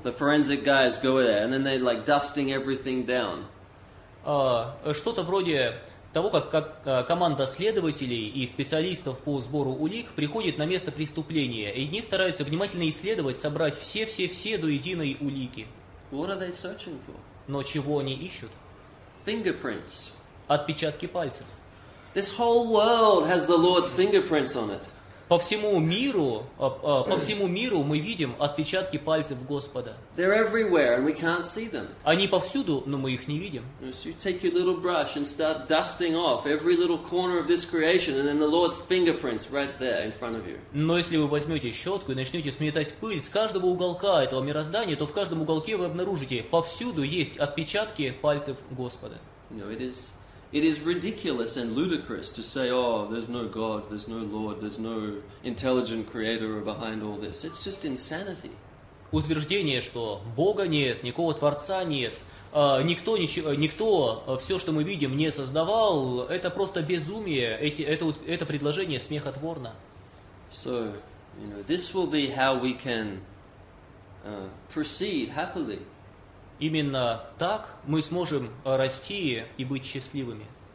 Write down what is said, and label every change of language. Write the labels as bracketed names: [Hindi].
[English] The forensic guys go there, and then they're like dusting everything down. [Russian] Что-то вроде того, как команда следователей и специалистов по сбору улик приходит на место преступления, и они стараются внимательно исследовать, собрать все-все-все до единой улики. [English] What are they searching for? [Russian] Но чего они ищут? [English] Fingerprints. [Russian] Отпечатки пальцев. [English] This whole world has the Lord's fingerprints on it. [Russian] По всему миру мы видим отпечатки пальцев Господа. [English] They're everywhere and we can't see them. [Russian] Они повсюду, но мы их не видим. [English] So you take your little brush and start dusting off every little corner of this creation and then the Lord's fingerprints right there in front of you. [Russian] Но если вы возьмете щетку и начнете сметать пыль с каждого уголка этого мироздания, то в каждом уголке вы обнаружите, повсюду есть отпечатки пальцев Господа. [English] No, It is ridiculous and ludicrous to say, oh, there's no God, there's no Lord, there's no intelligent creator behind all this. It's just insanity. [Russian] Утверждение, что Бога нет, никакого Творца нет, никто все, что мы видим, не создавал, это просто безумие, это предложение смехотворно. [English] So, you know, this will be how we can proceed happily. [Russian] Именно так мы сможем расти и быть счастливыми.